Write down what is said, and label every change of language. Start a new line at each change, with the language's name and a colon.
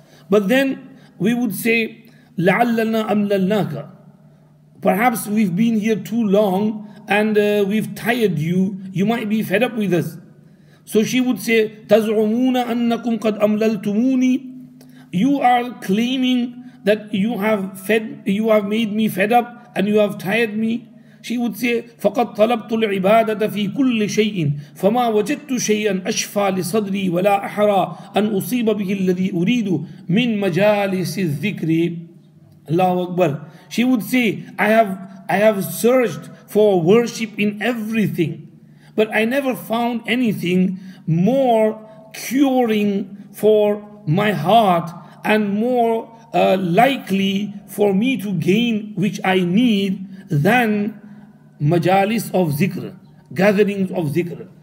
English: But then we would say,
Arabic: la'allana amlalnaka,
English: perhaps we've been here too long and we've tired you, you might be fed up with us. So she would say,
Arabic: taz'umuna annakum qad amlaltumuni,
English: you are claiming that you have made me fed up and you have tired me. She would say,
Arabic: فَقَدْ طَلَبْتُ الْعِبَادَةَ فِي كُلِّ شَيْءٍ فَمَا وَجَدْتُ شَيْئًا أَشْفَى لِصَدْرِي وَلَا أَحْرَى أَنْ أُصِيبَ بِهِ الَّذِي أُرِيدُ مِنْ مَجَالِسِ الذِّكْرِ. Allahu Akbar.
English: She would say, I have searched for worship in everything, but I never found anything more curing for my heart and more likely for me to gain which I need than majalis of zikr, gatherings of zikr.